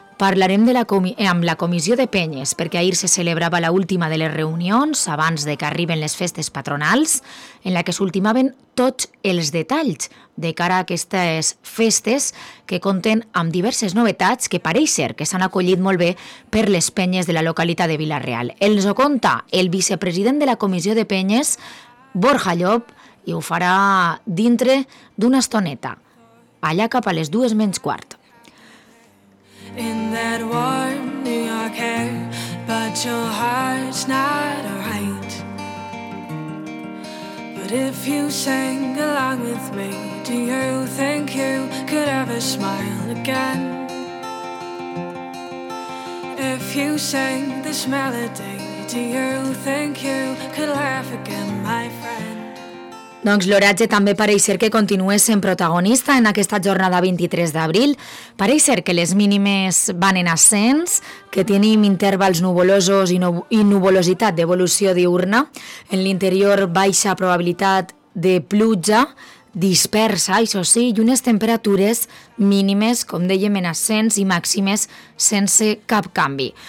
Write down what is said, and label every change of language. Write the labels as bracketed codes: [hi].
[ca] Parlarem de amb la comissió de penyes, perquè ahir se celebrava la última de les reunions, abans de que arriben les festes patronals, en la que s'ultimaven tots els detalls de cara a aquestes festes que compten amb diverses novetats que pareixer que s'han acollit molt bé per les penyes de la localitat de Vila-real. Ens ho conta el vicepresident de la comissió de penyes, Borja Llop, i ho farà dintre d'una estoneta, allà cap a les 2:45. [en] In that warm New York air, but your heart's not right. But if you sang along with me, do you think you could ever smile again? If you sang this melody, do you think you could laugh again, my friend? [ca] Doncs l'oratge també pareix ser que continués sent protagonista en aquesta jornada 23 d'abril. Pareix ser que les mínimes van en ascens, que tenim intervals nuvolosos i nuvolositat d'evolució diurna. En l'interior baixa probabilitat de pluja, dispersa, això sí, i unes temperatures mínimes, com dèiem, en ascens i màximes sense cap canvi.